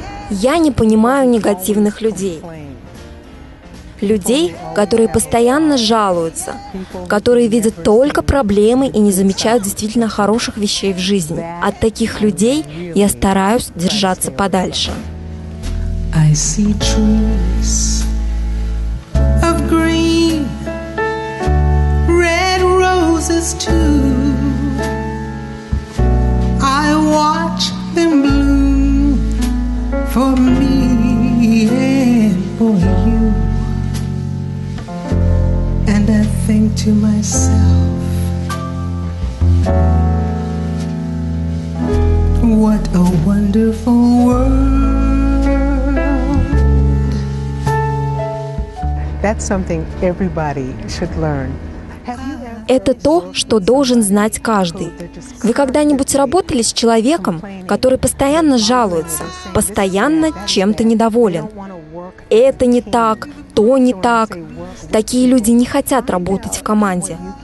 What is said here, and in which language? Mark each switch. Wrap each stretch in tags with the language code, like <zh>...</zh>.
<ru>Я не понимаю негативных людей. людей, которые постоянно жалуются, которые видят только проблемы и не замечают действительно хороших вещей в жизни. От таких людей я стараюсь держаться подальше.</ru> <en>I see trees of green, red roses too. I watch them bloom for me and for you. And I think to myself, what a wonderful world. That's something everybody should learn.</en> <ru>Это то, что должен знать каждый. Вы когда-нибудь работали с человеком, который постоянно жалуется, постоянно чем-то недоволен? Это не так, то не так. Такие люди не хотят работать в команде.</ru>